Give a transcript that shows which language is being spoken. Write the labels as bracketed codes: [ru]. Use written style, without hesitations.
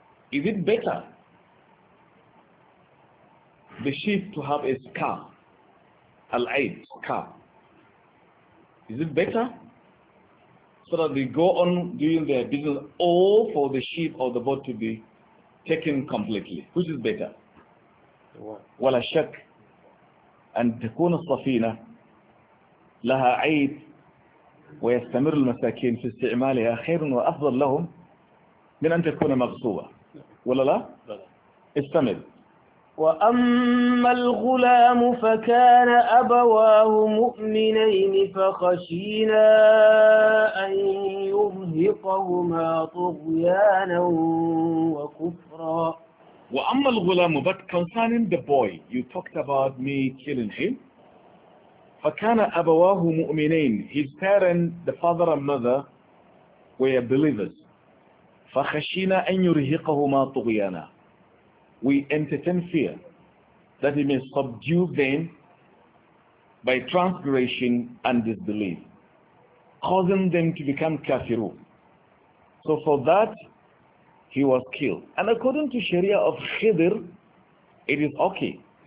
[en] Is it better the sheep to have a scar, al-aid, scar? Is it better so that they go on doing their business, or for the sheep or the boat to be taken completely? Which is better? [ar] Wala shak an takuna safina laha aid ويستمر المساكين في استعمالها خير وأفضل لهم من أن تكون مغصوبة ولا لا؟ استمر. وأما الغلام فكان أبواه مؤمنين فخشينا أن يرهقهما طغيانا وكفرا. وأما الغلام [en] but concerning the boy you talked about me killing him, [ar] فكان أبواه مؤمنين. [en] His parents, the father and mother, were believers. [ar] فخشينا أن يرهقهما طغيانا. [en] We entertained fear that he may subdue them by transgression and disbelief, causing them to become kafiru. So for that, he was killed. And according to Sharia of Khidr, it is okay.